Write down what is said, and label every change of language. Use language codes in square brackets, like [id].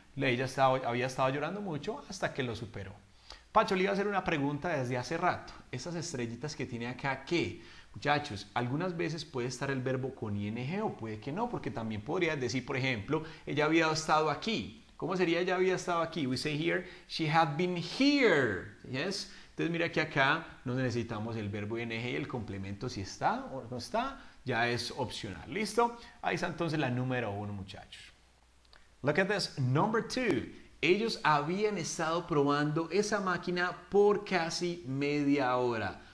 [es] Ella había estado llorando mucho hasta que lo superó. Pacho, le iba a hacer una pregunta desde hace rato, esas estrellitas que tiene acá, ¿qué? Muchachos, algunas veces puede estar el verbo con ing o puede que no, porque también podría decir, por ejemplo, ella había estado aquí. ¿Cómo sería ella había estado aquí? [en] We say here, she had been here. Yes. [es] Entonces mira que acá no necesitamos el verbo ing y el complemento si está o no está, ya es opcional. ¿Listo? Ahí está entonces la número uno, muchachos. [en] Look at this. Number two. [es] Ellos habían estado probando esa máquina por casi media hora.